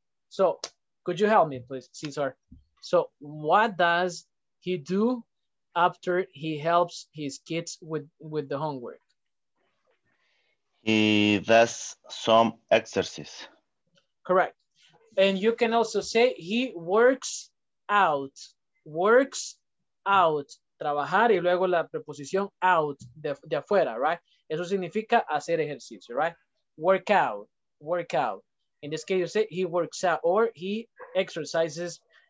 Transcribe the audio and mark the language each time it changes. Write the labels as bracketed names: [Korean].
[English] So could you help me, please, Cesar? So what does he do after he helps his kids with the homework? He does some exercise. Correct. And you can also say he works out. Works out. [Spanish] Trabajar y luego la preposición out, de afuera, right? Eso significa hacer ejercicio, right? Work out, work out. [English] In this case, you say he works out or he exercises.